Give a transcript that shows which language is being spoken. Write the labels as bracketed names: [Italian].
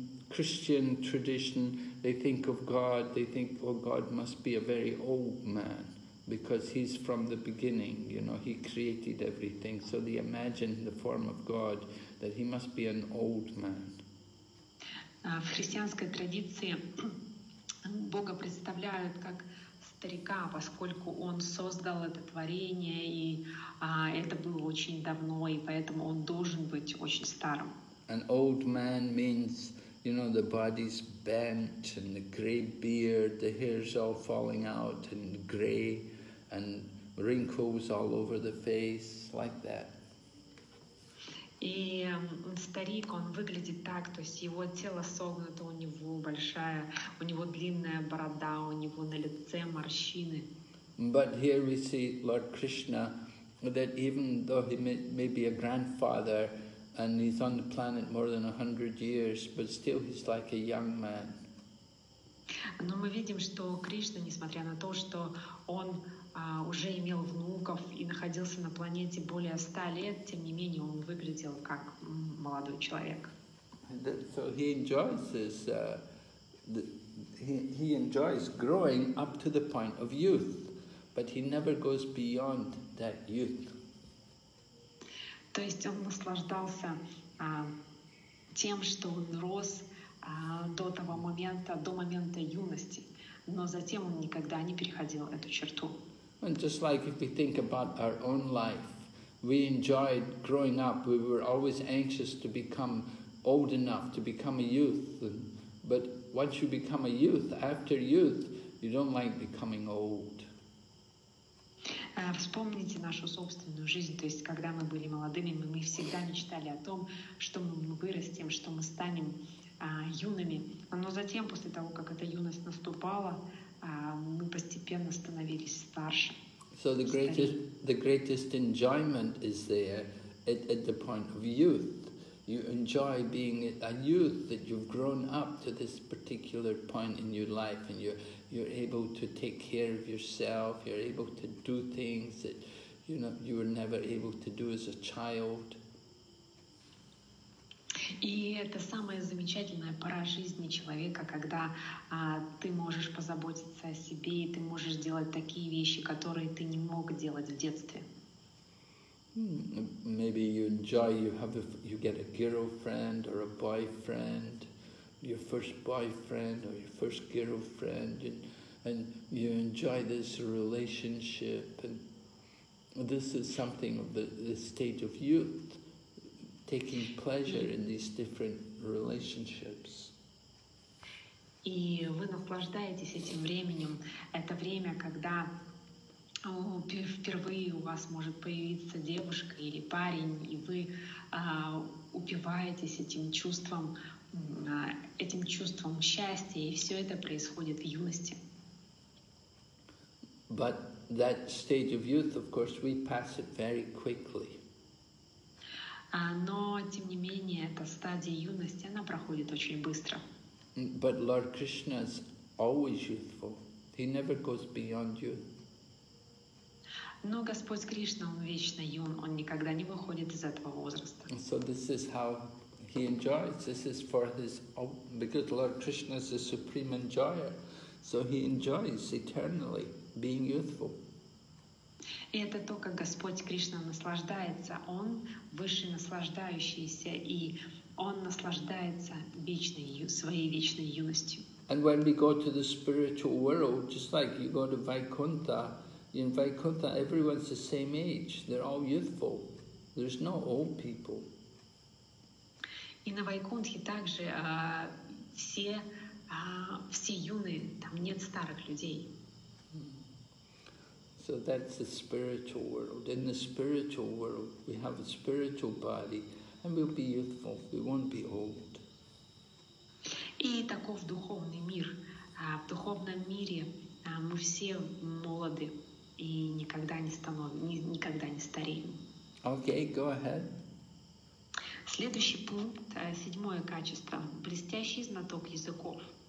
[English] Christian tradition, they think of God, they think, oh, God must be a very old man because he's from the beginning, you know, he created everything. So they imagine the form of God, that he must be an old man. [Russian] В христианской традиции Бога представляют как старика, поскольку он создал это творение, и это было очень давно, и поэтому он должен быть очень старым. [English] An old man means, you know, the body's bent and the gray beard, the hair's all falling out and gray and wrinkles all over the face, like that. [Russian] И старик, он выглядит так, то есть его тело согнуто, у него большая, у него длинная борода, у него на лице морщины. [English] But here we see Lord Krishna, that even though he may be a grandfather and he's on the planet more than 100 years, but still he's like a young man. [Russian] Но мы видим, что Кришна, несмотря на то, что он уже имел внуков и находился на планете более 100 лет, тем не менее он выглядел как молодой человек. [English] So he enjoys this, he enjoys growing up to the point of youth, but he never goes beyond that youth. [Russian] То есть он наслаждался тем, что он рос до того момента, до момента юности, но затем он никогда не переходил эту черту. [English] And just like if we think about our own life, we enjoyed growing up, we were always anxious to become old enough, to become a youth. But once you become a youth, after youth, you don't like becoming old. [Russian] Вспомните нашу собственную жизнь, то есть когда мы были молодыми, мы всегда мечтали о том, что мы вырастем, что мы станем юными. Но затем, после того, как эта юность наступала, мы постепенно становились старше. [English] So the greatest enjoyment is there at the point of youth. You enjoy being a youth, that you've grown up to this particular point in your life, and you're able to take care of yourself, you're able to do things that, you know, you were never able to do as a child. [Russian] И это самая замечательная пора жизни человека, когда ты можешь позаботиться о себе, и ты можешь делать такие вещи, которые ты не мог делать в детстве. [English] Maybe you enjoy, you get a girlfriend or a boyfriend, your first boyfriend or your first girlfriend, and you enjoy this relationship, and this is something of the state of youth. Taking pleasure in these different relationships. [Russian] И вы наслаждаетесь этим временем. Это время, когда впервые у вас может появиться девушка или парень, и вы упиваетесь этим чувством счастья, и все это происходит в юности. [English] But that stage of youth, of course, we pass it very quickly. [Russian] Но, тем не менее, эта стадия юности, она проходит очень быстро. [English] But Lord Krishna is always youthful. He never goes beyond youth. [Russian] Но Господь Кришна, Он вечно юн, Он никогда не выходит из этого возраста. [English] So this is how He enjoys. This is for His... Because Lord Krishna is the supreme enjoyer. So He enjoys eternally being youthful. [Russian] И это то, как Господь Кришна наслаждается. Он высший наслаждающийся, и Он наслаждается своей вечной юностью. [English] And when we go to the spiritual world, just like you go to Vaikuntha, in Vaikuntha everyone's the same age. They're all youthful. There's no old people. [Russian] И на Вайкунтхе также все юные, там нет старых людей. [English] So that's the spiritual world. In the spiritual world, we have a spiritual body, and we'll be youthful. We won't be old. [Russian] И таков духовный мир. В духовном мире мы все молоды и никогда не стареем. [English] Okay, go ahead. [Russian] Следующий пункт, седьмое качество, блестящий знаток языков.